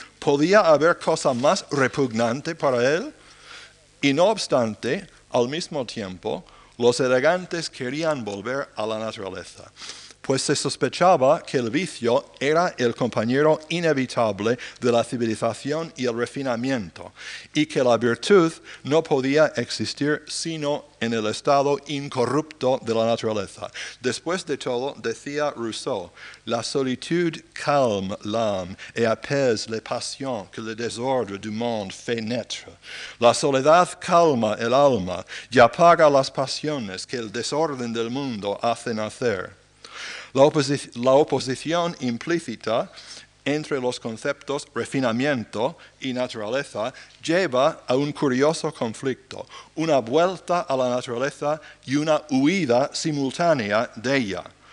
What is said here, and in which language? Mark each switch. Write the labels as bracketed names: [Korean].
[Spanish] ¿Podía haber cosa más repugnante para él? Y no obstante, al mismo tiempo, los elegantes querían volver a la naturaleza, pues se sospechaba que el vicio era el compañero inevitable de la civilización y el refinamiento, y que la virtud no podía existir sino en el estado incorrupto de la naturaleza. Después de todo, decía Rousseau, [French] la solitude calme l'âme et apaise les passions que le désordre du monde fait naître. [Spanish] La soledad calma el alma y apaga las pasiones que el desorden del mundo hace nacer. La oposición implícita entre los conceptos refinamiento y naturaleza lleva a un curioso conflicto, una vuelta a la naturaleza y una huida simultánea de ella.